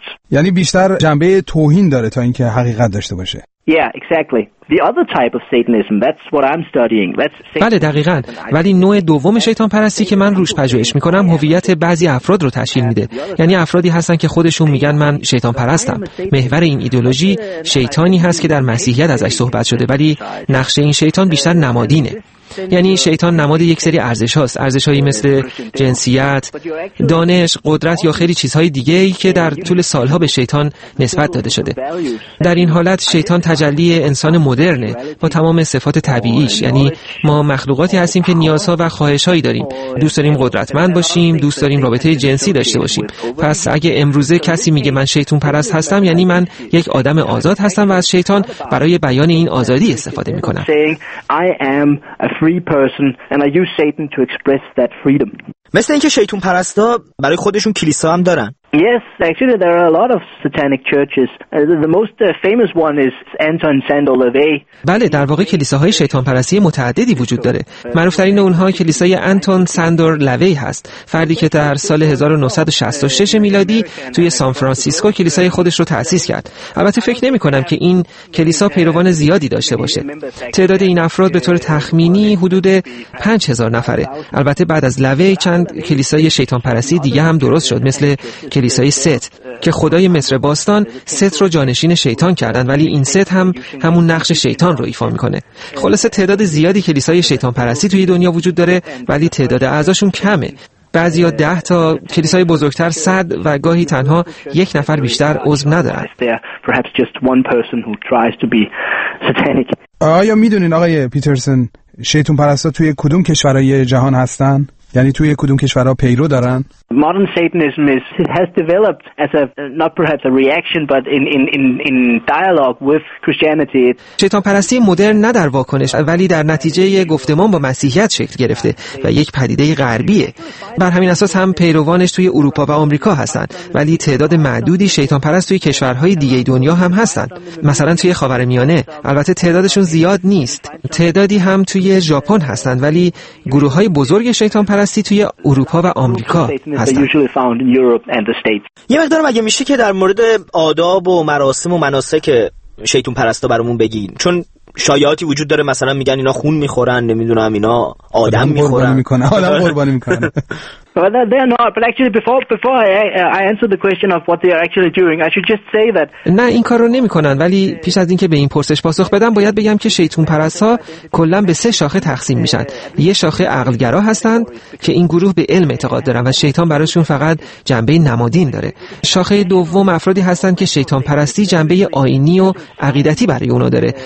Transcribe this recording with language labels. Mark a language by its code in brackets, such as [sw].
[fa] یعنی بیشتر جنبه توهین داره تا اینکه حقیقت داشته باشه. [en] Yeah, exactly. The other type of Satanism, that's what I'm studying. That's Satanism. [fa] بله دقیقاً. ولی نوع دوم شیطان پرستی که من روش پژوهش می‌کنم هویت بعضی افراد رو تشکیل میده. یعنی افرادی هستن که خودشون میگن من شیطان پرستم. محور این ایدئولوژی شیطانی هست که در مسیحیت ازش صحبت شده، ولی نقش این شیطان بیشتر نمادینه. یعنی شیطان نماد یک سری ارزش هاست، ارزش هایی مثل جنسیت، دانش، قدرت یا خیلی چیزهای دیگه ای که در طول سالها به شیطان نسبت داده شده. در این حالت شیطان تجلی انسان مدرنه با تمام صفات طبیعیش. یعنی ما مخلوقاتی هستیم که نیازها و خواهش هایی داریم، دوست داریم قدرتمند باشیم، دوست داریم رابطه جنسی داشته باشیم. پس اگه امروزه کسی میگه من شیطان پرست هستم، یعنی من یک آدم آزاد هستم و از شیطان برای بیان این آزادی استفاده میکنم. [en] A free person, and I use Satan to express that freedom. [fa] مثل اینکه شیطون پرستا برای خودشون کلیسا هم دارن. [en] Yes, actually there are a lot of satanic churches. The most famous one is Anton Sandor LaVey. [fa] بله در واقع کلیساهای شیطان پرستی متعددی وجود داره. معروفترین اونها کلیسای آنتون ساندور لوی هست. فردی که در سال 1966 میلادی توی سان فرانسیسکو کلیسای خودش رو تأسیس کرد. البته فکر نمی‌کنم که این کلیسا پیروان زیادی داشته باشه. تعداد این افراد به طور تخمینی حدود 5000 نفره. البته بعد از لوی چند کلیسای شیطان پرستی دیگه هم درست شد، مثل کلیسای ست که خدای مصر باستان ست رو جانشین شیطان کردن، ولی این ست هم همون نقش شیطان رو ایفا میکنه. خلاصه تعداد زیادی کلیسای شیطان پرستی توی دنیا وجود داره، ولی تعداد اعضاشون کمه. بعضی ها 10 تا، کلیسای بزرگتر 100، و گاهی تنها یک نفر بیشتر عضو ندارن. آیا میدونین آقای پیترسن شیطان پرستا توی کدوم کشورهای جهان هستن؟ یعنی توی کدوم کشورها پیرو دارن؟ [en] Modern Satanism has developed as a not perhaps a reaction but in dialogue with Christianity. [fa] شیطان پرستی مدرن نه در واکنش ولی در نتیجه گفتمان با مسیحیت شکل گرفته و یک پدیده غربیه. بر همین اساس هم پیروانش توی اروپا و آمریکا هستند، ولی تعداد معدودی شیطان پرست توی کشورهای دیگه دنیا هم هستند. مثلا توی خاورمیانه، البته تعدادشون زیاد نیست. تعدادی هم توی ژاپن هستند، ولی گروه‌های بزرگ شیطان پرستی توی اروپا و آمریکا یه مقدارم اگه میشه که در مورد آداب و مراسم و مناسک شیطان پرستا برامون بگین، چون شایعاتی وجود داره، مثلا میگن اینا خون میخورن، نمیدونم اینا آدم میخورن، آدم قربانی میکنن. [en] Well, they are not. But actually, before I answer the question of what they are actually doing, I should just say that. [fa] نه این کار رو نمی کنن. ولی پیش از اینکه به این پرسش پاسخ بدم، باید بگم که شیطون پرست‌ها کلاً به سه شاخه تقسیم میشن. یه شاخه عقلگرا هستند که این گروه به علم اعتقاد دارن و شیطان براشون فقط جنبه نمادین داره. شاخه دوم افرادی هستند که شیطان پرستی جنبه آینی و عقیدتی برای اونا داره.